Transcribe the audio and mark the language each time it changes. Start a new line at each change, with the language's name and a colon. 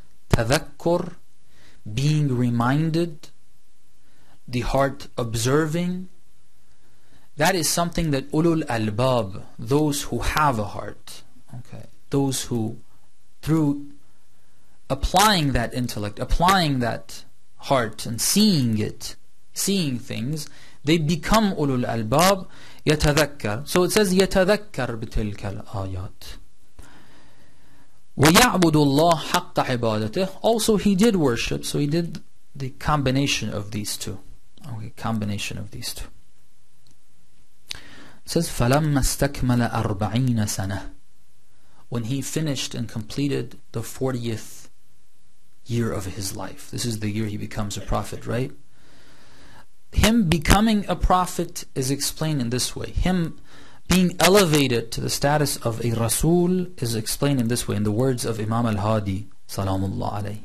English: تَذَكُّر, being reminded, the heart observing, that is something that ulul albab, those who have a heart, okay, those who, through applying that intellect, applying that heart and seeing it, seeing things, they become ulul albab, yatadhakkar. So it says,
Arabic: yatadhakkar bitilkal ayat. وَيَعْبُدُ اللَّهُ حَقَّ عِبَادَتِهِ.
English: Also, he did worship, so he did the combination of these two. Okay, combination of these two. Says,
Arabic: فَلَمَّا اسْتَكْمَلَ أَرْبَعِينَ سَنَةً.
English: When he finished and completed the 40th year of his life. This is the year he becomes a prophet, right? Him becoming a prophet is explained in this way. Him being elevated to the status of a Rasul is explained in this way, in the words of Imam al-Hadi, salamullah alayhi.